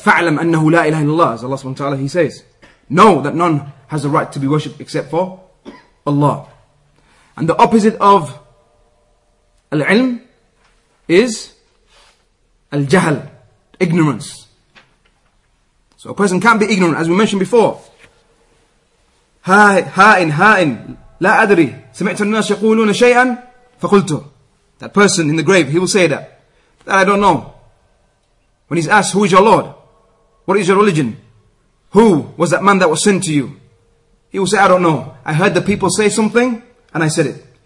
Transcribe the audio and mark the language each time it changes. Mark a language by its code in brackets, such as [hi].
[ar] فَعْلَمْ أَنَّهُ لَا إِلَهَ إِلَّا اللَّهِ. [en] As Allah subhanahu wa ta'ala, He says, know that none has a right to be worshipped except for Allah. And the opposite of al-ilm is al-jahl, ignorance. So a person can't be ignorant, as we mentioned before. [ar] Ha'in, la adri, سمعت الناس يقولون شيئا فقلته. [en] That person in the grave, he will say that I don't know. When he's asked, who is your Lord? What is your religion? Who was that man that was sent to you? He will say, I don't know. I heard the people say something and I said it.